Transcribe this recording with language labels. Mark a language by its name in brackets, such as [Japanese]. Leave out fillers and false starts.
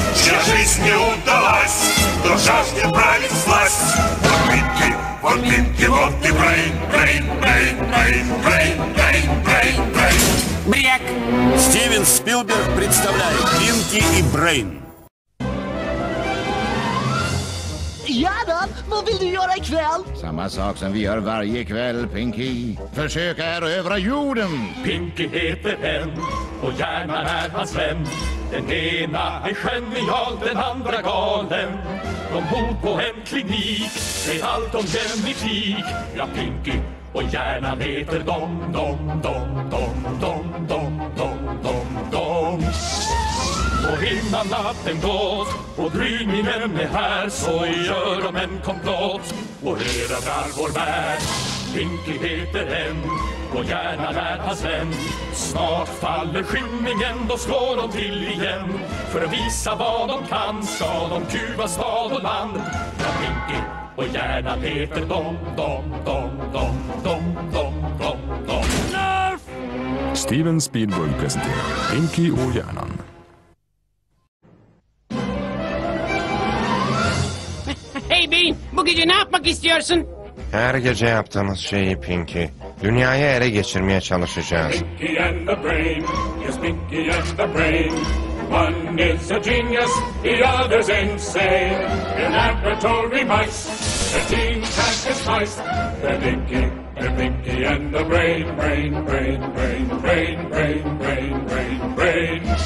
[Russian] Чья жизнь не удалась, кто жаждет править власть. Вот Пинки, вот Пинки, вот и Брейн, Брейн, Брейн, Брейн, Брейн, Брейн, Брейн, Брейн. Брек! Стивен Спилберг представляет Пинки и Брейн. [Swedish] Gärna, vad vill du göra ikväll? Samma sak som vi gör varje kväll, Pinky. Försök erövra jorden. Pinky heter en, och gärna är hans vän. Den ena är genial, den andra galen. De bor på en klinik, säger allt om genetik. Ja, Pinky. Och hjärna heter dom, dom, dom, dom, dom, dom, dom, dom, dom. Och innan natten gått och gryningen är här, så gör de en komplott och erövrar vår värld. Pinky heter den och hjärna är hans vän. Snart faller skymningen, då slår de till igen. För att visa vad de kan ska de kuva stad och land. Ja, Pinky. Och hjärnan heter dom, dom, dom, dom, dom, dom, dom, dom. Nerf! Steven Spielberg presenterar Pinky och hjärnan. [Turkish] Hey Bean, bu gece ne yapmak istiyorsun? Her gece yaptığımız şeyi Pinky. Dünyayı ele geçirmeye çalışacağız. [English] Pinky and the Brain, yes Pinky and the Brain. One is a genius, the other's insane. In laboratory mice, the team has despised. They're Pinky and the Brain, Brain, Brain, Brain, Brain, Brain, Brain, Brain, Brain.